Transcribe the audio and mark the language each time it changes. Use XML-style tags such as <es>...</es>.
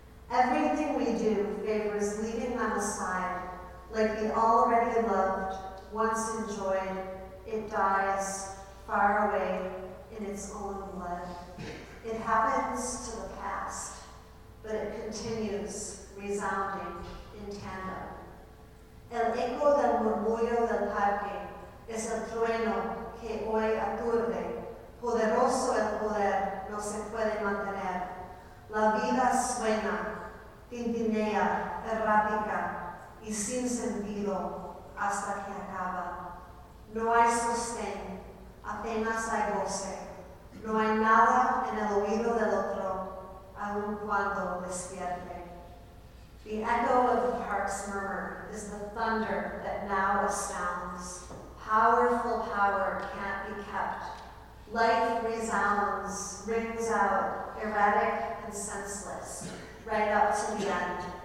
<en>Everything we do favors leaving them aside, like the already loved, once enjoyed, it dies far away in its own blood. It happens to the past, but it continues resounding in tandem.</en> <es>El eco del murmullo del parque es el trueno que hoy aturde. Poderoso el poder no se puede mantener. La vida suena. Tintinea, errática y sin sentido hasta que acaba. No hay sostén, apenas hay goce. No hay nada en el oído del otro, aun cuando despierte.</es> <en>The echo of the park's murmur is the thunder that now astounds. Powerful power can't be kept. Life resounds, rings out, erratic and senseless. Right up to the end.</en>